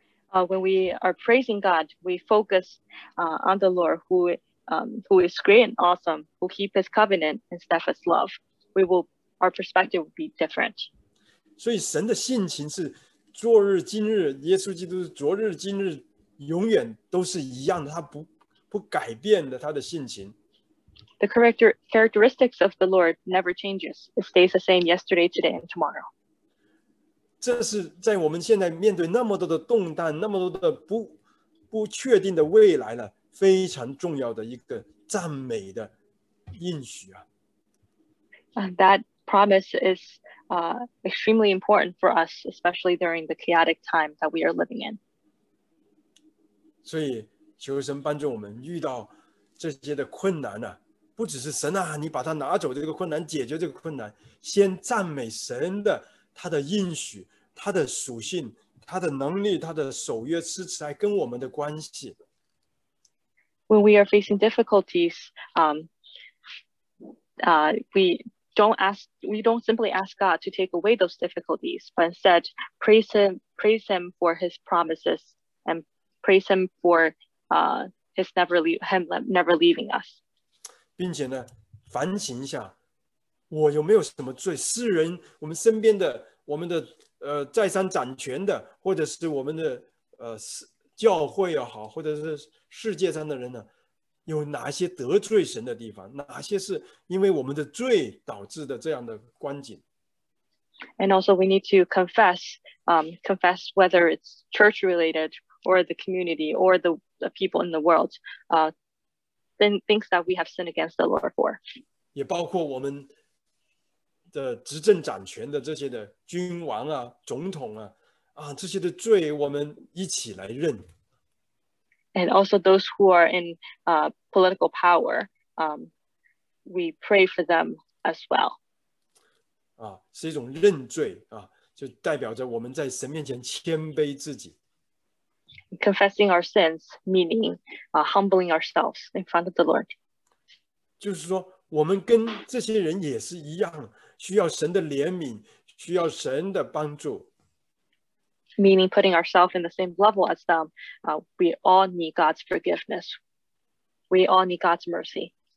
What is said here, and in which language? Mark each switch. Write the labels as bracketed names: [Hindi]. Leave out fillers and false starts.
[English] When we are praising God, we focus on the Lord who is great and awesome, who keep his covenant and steadfast love, our perspective will be different. [Chinese] 所以神的性情是昨日今日，耶稣基督昨日今日永远都是一样的，他不改变的他的性情。 [English] The characteristics of the Lord never changes. It stays the same yesterday, today, and tomorrow. [Chinese] 这是在我们现在面对那么多的动荡，那么多的不确定的未来了，非常重要的一个赞美的应许啊。 [English] That promise is extremely important for us, especially during the chaotic time that we are living in. [Chinese] 所以求神帮助我们遇到这些的困难啊，不只是神啊，你把它拿走这个困难，解决这个困难，先赞美神的他的应许，他的属性，他的能力，他的守约施慈爱跟我们的关系。 [English] When we are facing difficulties, we don't simply ask God to take away those difficulties, but instead praise Him for His promises and praise Him for Him never leaving us. [Chinese] 并且呢，反省一下，我有没有什么罪？世人，我们身边的，我们的再三掌权的，或者是我们的教会也好，或者是世界上的人呢，有哪些得罪神的地方？哪些是因为我们的罪导致的这样的光景 [English] ？And also, we need to confess whether it's church related or the community or the people in the world, things that we have sinned against the Lord for. [Chinese] 也包括我们的执政掌权的这些的君王啊、总统啊。这些的罪我们一起来认。 [English] And also those who are in political power, we pray for them as well. [Chinese] 是一种认罪啊，就代表着我们在神面前谦卑自己。 [English] Confessing our sins, meaning humbling ourselves in front of the Lord. [Chinese] 就是说我们跟这些人也是一样，需要神的怜悯，需要神的帮助。 [English] Meaning putting ourselves in the same level as them, we all need God's forgiveness. We all need God's mercy.